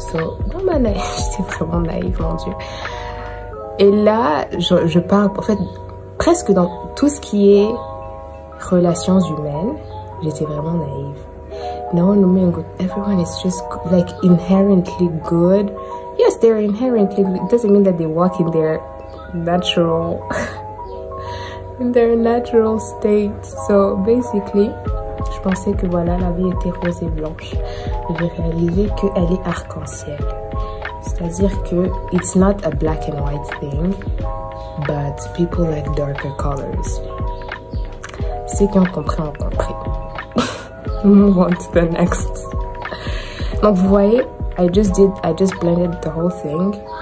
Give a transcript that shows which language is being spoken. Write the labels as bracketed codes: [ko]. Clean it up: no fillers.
[fr] So, dans ma naïve, j'étais vraiment naïve, mon Dieu. Et là, je parle, en fait, presque dans tout ce qui est relations humaines, j'étais vraiment naïve. [en] No, everyone is just like inherently good. Yes, they're inherently good. It doesn't mean that they walk in their natural state. So basically, [fr] je pensais que voilà, la vie était rose et blanche. J'ai réalisé qu'elle est arc-en-ciel. C'est-à-dire que [en] it's not a black and white thing, but people like darker colors. [fr] Ceux qui ont compris, ont compris. [en] Move on to the next. [fr] Donc vous voyez, [en] I just blended the whole thing.